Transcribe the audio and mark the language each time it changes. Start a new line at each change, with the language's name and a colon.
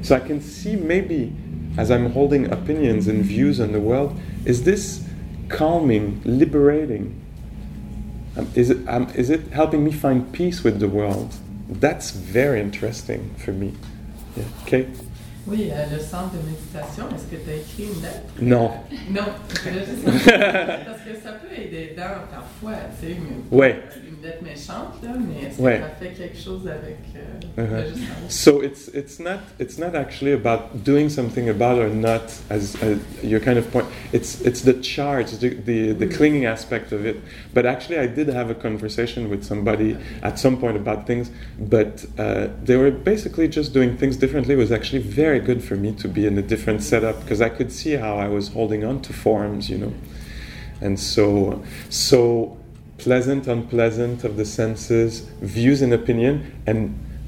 English: So I can see maybe, as I'm holding opinions and views on the world, is this calming, liberating? Is it helping me find peace with the world? That's very interesting for me. Yeah. Okay?
French: Oui, le centre de méditation, est-ce que tu as écrit une lettre? Non. Non, parce que ça peut aider dans parfois, tu sais, ouais. Une lettre méchante, là, mais est-ce ouais. que tu as fait quelque chose avec
English: So it's not actually about doing something about or not as your kind of point. It's the charge, the clinging aspect of it. But actually, I did have a conversation with somebody at some point about things. But they were basically just doing things differently. It was actually very good for me to be in a different setup because I could see how I was holding on to forms, you know, and so pleasant, unpleasant of the senses, views and opinion, and.